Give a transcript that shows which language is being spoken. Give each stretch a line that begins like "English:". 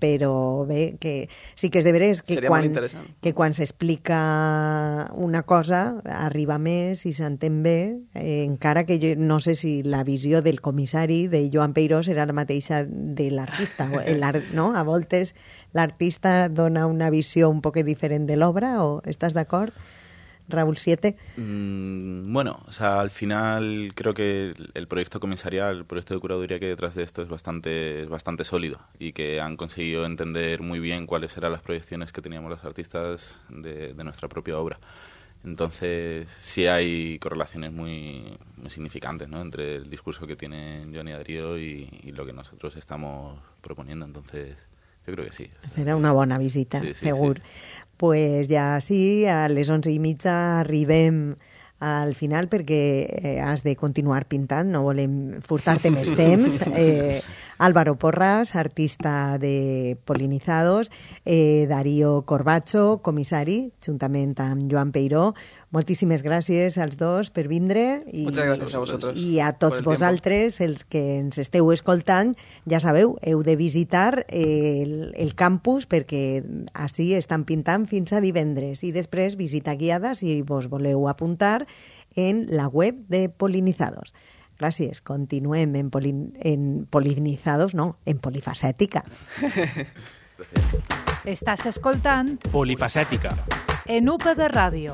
Catalan: Però bé, que sí que és de veres que quan s'explica una cosa arriba més i s'entén bé, encara que jo no sé si la visió del comissari, de Joan Peiró, serà la mateixa de l'artista, no? A voltes l'artista dona una visió un poc diferent de l'obra, o estàs d'acord, Raúl Siete?
Spanish: Bueno, o sea, al final creo que el proyecto comisarial, el proyecto de curaduría que hay detrás de esto es bastante sólido, y que han conseguido entender muy bien cuáles eran las proyecciones que teníamos los artistas de nuestra propia obra. Entonces, sí hay correlaciones muy, muy significantes, ¿no?, entre el discurso que tienen Joan y Darío y lo que nosotros estamos proponiendo. Entonces, yo creo que sí. Será una buena visita, sí,
Catalan: segur. Sí, sí.
Spanish: Pues ya sí,
Catalan: a les 11:30 arribem al final, perquè has de continuar pintant, no volem furtar-te més temps. Álvaro Porras, artista de Polinizados, Darío Corbacho, comissari, juntament amb Joan Peiró. Moltíssimes gràcies als dos per vindre. I, moltes gràcies a vosaltres. I a tots vosaltres, els que ens esteu escoltant, ja sabeu, heu de visitar el campus, perquè així estan pintant fins a divendres. I després, visita guiada, si vos voleu apuntar, en la web de Polinizados. Gràcies. Continuem en Polinizados, no, en Polifacètica. Estàs escoltant Polifacètica en UPB Ràdio